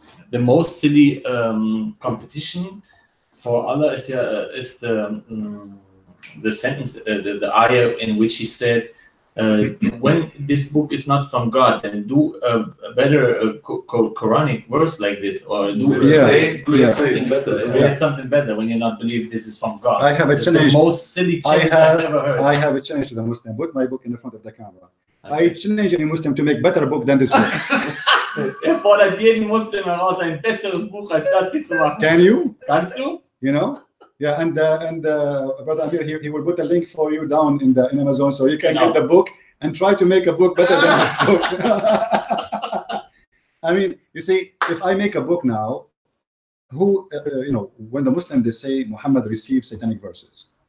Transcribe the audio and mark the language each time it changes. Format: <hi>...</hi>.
<en>The most silly competition for Allah is the sentence, the ayah in which he said, when this book is not from God, then do a better Quranic verse like this, or do something better when you not believe this is from God. I have a challenge. The most silly challenge I've ever heard. I have a challenge to the Muslim. Put my book in the front of the camera. Okay. I challenge any Muslim to make better book than this book.</en> <de>Erfordert jeden Muslim heraus, ein besseres Buch als das hier zu machen.</de> <en>Can you?</en> <de>Kannst du?</de> <en>You know? Yeah, and Brother Amir, he will put a link for you down in Amazon, so you can get the book and try to make a book better than this book. I mean, you see, if I make a book now, when the Muslim, they say Muhammad receives satanic verses.</en>